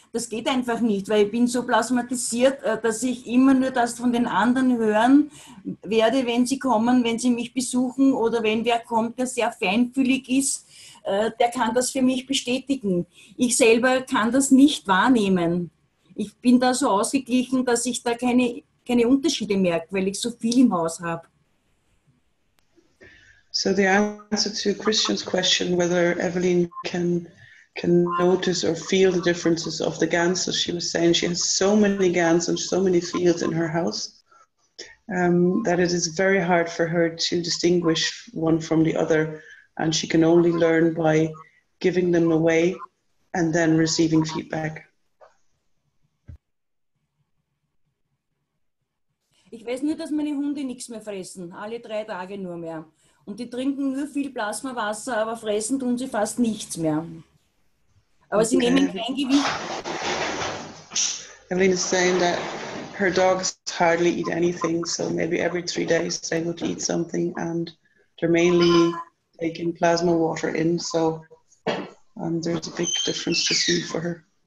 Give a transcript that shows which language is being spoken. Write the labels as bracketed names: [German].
[German] Das geht einfach nicht, weil ich bin so plasmatisiert, dass ich immer nur das von den anderen hören werde, wenn sie kommen, wenn sie mich besuchen oder wenn wer kommt, der sehr feinfühlig ist, der kann das für mich bestätigen. Ich selber kann das nicht wahrnehmen. Ich bin da so ausgeglichen, dass ich da keine Unterschiede merkt, weil ich so viel im Haus habe. [English] So the answer to Christian's question, whether Evelyn can notice or feel the differences of the GANs, as she was saying, she has so many GANs and so many fields in her house, that it is very hard for her to distinguish one from the other, and she can only learn by giving them away and then receiving feedback. [German] Ich weiß nur, dass meine Hunde nichts mehr fressen, alle 3 Tage nur mehr. Und die trinken nur viel Plasmawasser, aber fressen tun sie fast nichts mehr. Aber sie nehmen kein Gewicht. [English] Evelyn is saying that her dogs hardly eat anything, so maybe every 3 days they would eat something and they're mainly taking plasma water in, so there's a big difference to see for her.